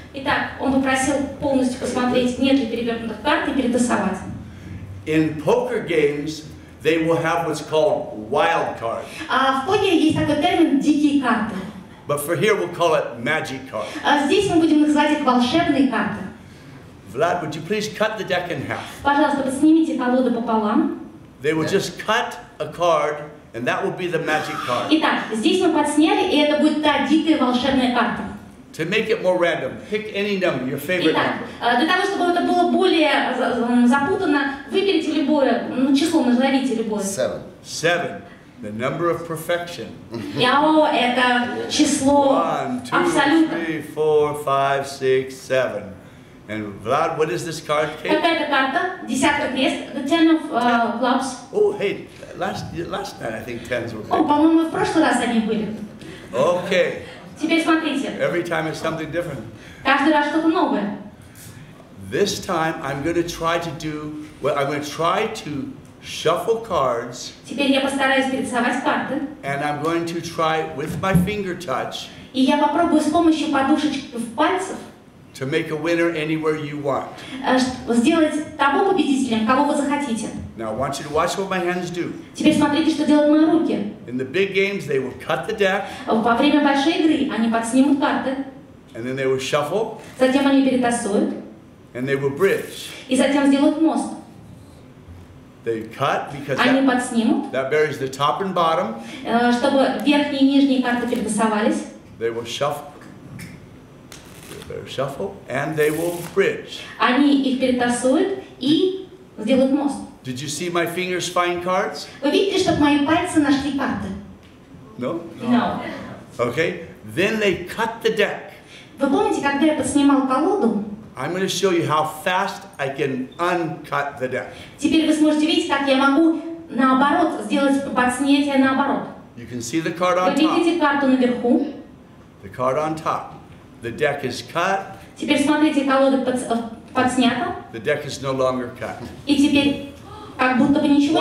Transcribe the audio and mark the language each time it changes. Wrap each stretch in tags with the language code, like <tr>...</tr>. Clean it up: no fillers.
<ru>Итак, он попросил полностью посмотреть, нет ли перевернутых карт и перетасовать.</ru> <en>In poker games, they will have what's called wild cards.</en> <ru>В покере есть такой термин дикие карты.</ru> <en>But for here, we'll call it magic cards.</en> <ru>Здесь мы будем называть их волшебные карты.</ru> <en>Vlad, would you please cut the deck in half?</en> <ru>Пожалуйста, снимите колоду пополам.</ru> <en>They will just cut a card, and that will be the magic card.</en> <ru>Итак, здесь мы подсняли, и это будет та дикая волшебная карта.</ru> <en>To make it more random, pick any number, your favorite</en> <ru>Итак,</ru> <en>number.</en> <ru>Итак, для того, чтобы это было более запутанно, выберите любое, число, назовите любое.</ru> <en>Seven. Seven. The number of perfection.</en> <ru>Это число абсолютно.</ru> <en>One, two, three, four, five, six, seven. And Vlad, what is this card, Kate?</en> <ru>Какая это карта? Десятка крест.</ru> <en>The ten of clubs. Oh, hey, last night I think tens were.</en> <ru>Oh, по-моему, в прошлый раз они были.</ru> <en>Okay.</en> <ru>Теперь смотрите.</ru> <en>Every time it's something different.</en> <ru>Каждый раз что-то новое.</ru> <en>This time I'm going to try to do. Well, I'm going to try to shuffle cards.</en> <ru>Теперь я постараюсь перетасовать карты.</ru> <en>And I'm going to try with my finger touch.</en> <ru>И я попробую с помощью подушечек пальцев.</ru> <en>To make a winner anywhere you want.</en> <ru>Сделать того победителем, кого вы захотите.</ru> <en>Now I want you to watch what my hands do.</en> <ru>Теперь смотрите, что делают мои руки.</ru> <en>In the big games, they will cut the deck.</en> <ru>Во время большой игры они подснимут карты.</ru> <en>And then they will shuffle.</en> <ru>Затем они перетасуют.</ru> <en>And they will bridge.</en> <ru>И затем сделают мост.</ru> <en>They cut because</en> <ru>они подснимут.</ru> <en>That buries the top and bottom.</en> <ru>Чтобы верхние и нижние карты перетасовались.</ru> <en>They will shuffle. They shuffle and they will bridge.</en> <ru>Они их перетасуют и сделают мост.</ru> <en>Did you see my fingers find cards?</en> <ru>Вы видите, что мои пальцы нашли карты?</ru> <en>No. No. Okay. Then they cut the deck.</en> <ru>Вы помните, когда я поснимал колоду?</ru> <en>I'm going to show you how fast I can uncut the deck.</en> <ru>Теперь вы сможете видеть, как я могу наоборот сделать подснятие наоборот.</ru> <en>You can see the card on top.</en> <ru>Вы видите карту наверху?</ru> <en>The card on top. The deck is cut.</en> <ru>Теперь смотрите, колода подснята.</ru> <en>The deck is no longer cut.</en> <ru>И теперь как будто бы ничего</ru>